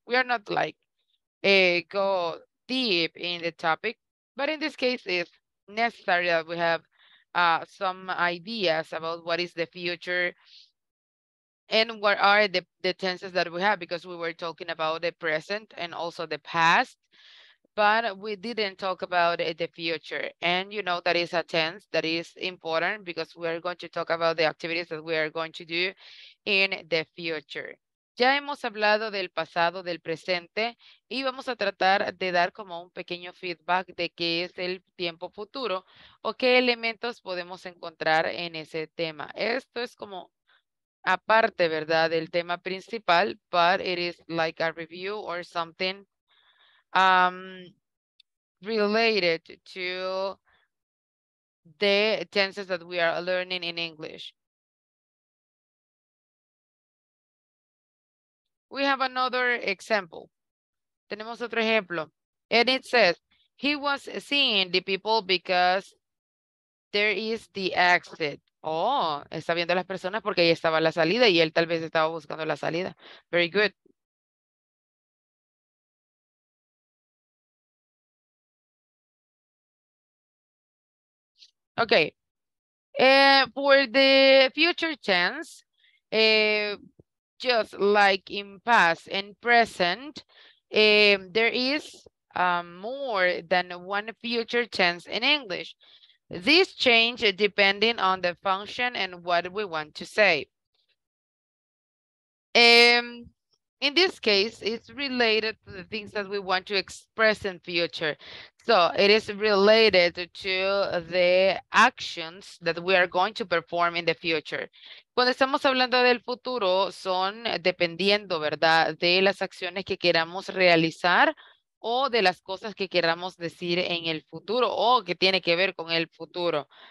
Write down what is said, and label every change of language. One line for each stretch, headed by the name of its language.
English: We are not like go deep in the topic, but in this case, it's necessary that we have some ideas about what is the future and what are the tenses that we have, because we were talking about the present and also the past. But we didn't talk about the future. And you know, that is a tense that is important because we are going to talk about the activities that we are going to do in the future.
Spanish: Ya hemos hablado del pasado, del presente, y vamos a tratar de dar como un pequeño feedback de qué es el tiempo futuro o qué elementos podemos encontrar en ese tema. Esto es como aparte, ¿verdad?, del tema principal,
English: but it is like a review or something related to the tenses that we are learning in English. We have another example.
Spanish: Tenemos otro ejemplo.
English: And it says, he was seeing the people because there is the exit.
Spanish: Oh, está viendo a las personas porque ahí estaba la salida y él tal vez estaba buscando la salida.
English: Very good. Okay. For the future tense, just like in past and present, there is more than one future tense in English. This change depending on the function and what we want to say. In this case, it's related to the things that we want to express in future. So it is related to the actions that we are going to perform in the future.
Spanish: Cuando estamos hablando del futuro, son dependiendo, ¿verdad?, de las acciones que queramos realizar o de las cosas que queramos decir en el futuro o que tiene que ver con el futuro.